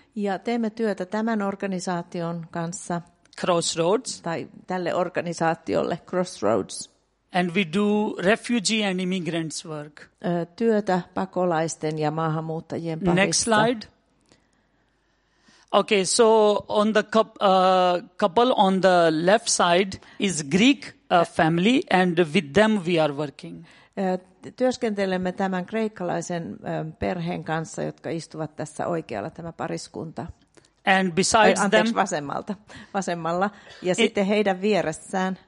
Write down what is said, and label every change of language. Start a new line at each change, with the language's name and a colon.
Finnish: Ja teemme työtä tämän organisaation kanssa.
English: Crossroads.
Finnish: Tai tälle organisaatiolle Crossroads.
English: And we do refugee and immigrants work.
Finnish: Työtä pakolaisten ja maahanmuuttajien parissa.
English: Next slide. Okay, so on the couple on the left side is Greek family, and with them we are working.
Finnish: Työskentelemme tämän kreikkalaisen perheen kanssa, jotka istuvat tässä oikealla, tämä pariskunta.
English: And besides them,
Finnish: vasemmalla, ja sitten heidän vieressään